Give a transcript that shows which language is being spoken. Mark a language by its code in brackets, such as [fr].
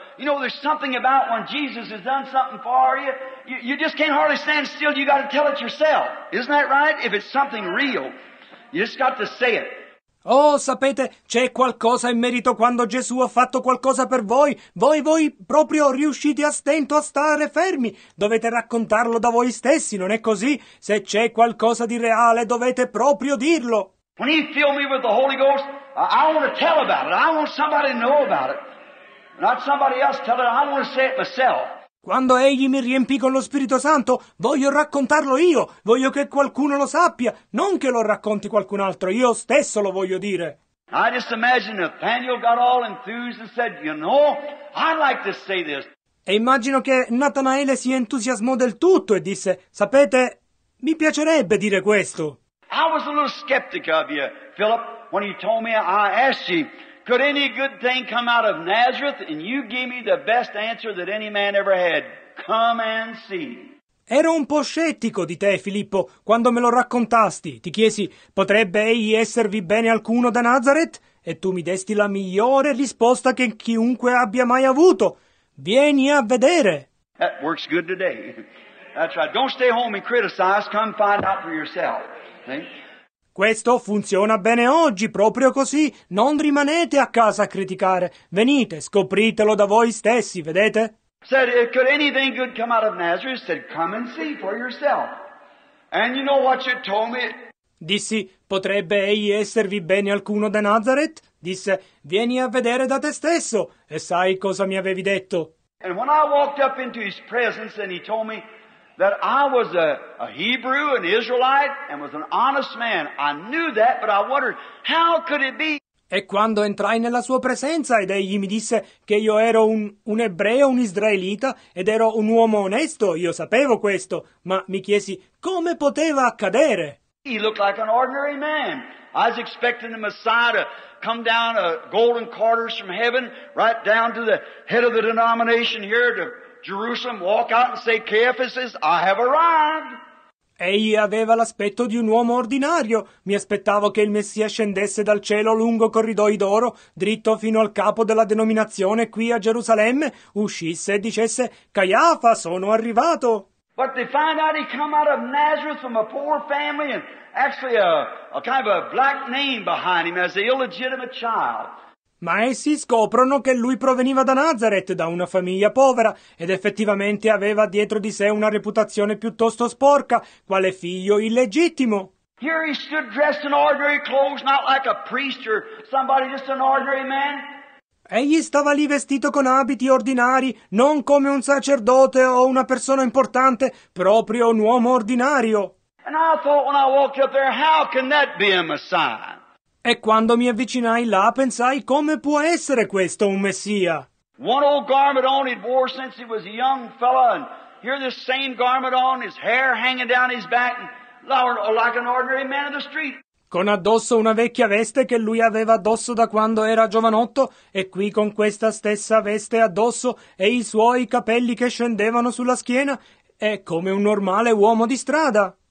[en] There's something about when Jesus has done something for you, you just can't hardly stand still, you got to tell it yourself. Isn't that right? If it's something real, you just got to say it. [it] Oh, sapete, c'è qualcosa in merito quando Gesù ha fatto qualcosa per voi. Voi proprio riuscite a stento a stare fermi. Dovete raccontarlo da voi stessi, non è così? Se c'è qualcosa di reale, dovete proprio dirlo. [en] When he filled me with the Holy Ghost, I want to tell about it. I want somebody to know about it. Not somebody else tell it. I want to say it myself. [it] Quando egli mi riempì con lo Spirito Santo, voglio raccontarlo io, voglio che qualcuno lo sappia, non che lo racconti qualcun altro, io stesso lo voglio dire. [en] I just imagine Nathaniel got all enthused and said, you know, I'd like to say this. [it] E immagino che Natanaele si entusiasmò del tutto e disse, sapete, mi piacerebbe dire questo. [en] I was a little skeptic of you, Philip, when you told me, I asked you, could any good thing come out of Nazareth? And you gave me the best answer that any man ever had. Come and see. [it] Ero un po' scettico di te, Filippo, quando me lo raccontasti. Ti chiesi, potrebbe egli esservi bene alcuno da Nazareth? E tu mi desti la migliore risposta che chiunque abbia mai avuto. Vieni a vedere. [en] That works good today. That's right. Don't stay home and criticize. Come find out for yourself. See? [it] Questo funziona bene oggi, proprio così. Non rimanete a casa a criticare. Venite, scopritelo da voi stessi, vedete? [en] Said, could anything good come out of Nazareth? Said, come and see for yourself. And you know what you told me? [it] Dissi, potrebbe egli esservi bene alcuno da Nazareth? Disse, vieni a vedere da te stesso. E sai cosa mi avevi detto? [en] And when I walked up into his presence and he told me, that I was a Hebrew, an Israelite, and was an honest man. I knew that, but I wondered, how could it be? [it] E quando entrai nella sua presenza ed egli mi disse che io ero un ebreo, un israelita, ed ero un uomo onesto, io sapevo questo, ma mi chiesi, come poteva accadere? [en] He looked like an ordinary man. I was expecting the Messiah to come down a golden quarters from heaven, right down to the head of the denomination here to Jerusalem, walk out and say, Caiaphas says, I have arrived. [it] Egli aveva l'aspetto di un uomo ordinario. Mi aspettavo che il Messia scendesse dal cielo lungo corridoi d'oro, dritto fino al capo della denominazione qui a Gerusalemme, uscisse e dicesse, Caiafa, sono arrivato. [en] But they find out he come out of Nazareth from a poor family and actually a kind of a black name behind him as an illegitimate child. [it] Ma essi scoprono che lui proveniva da Nazareth, da una famiglia povera, ed effettivamente aveva dietro di sé una reputazione piuttosto sporca, quale figlio illegittimo. [en] Here he stood dressed in ordinary clothes, not like a priest or somebody, just an ordinary man. [it] Egli stava lì vestito con abiti ordinari, non come un sacerdote o una persona importante, proprio un uomo ordinario. [en] And I thought when I walked up there, how can that be a Messiah? [it] E quando mi avvicinai là, pensai, come può essere questo un Messia? [en] One old garment on he'd wore since he was a young fella, and here this same garment on, his hair hanging down his back, and like an ordinary man of the street. [it] con addosso una vecchia veste che lui aveva addosso da quando era giovanotto, e qui con questa stessa veste addosso e i suoi capelli che scendevano sulla schiena, è come un normale uomo di strada.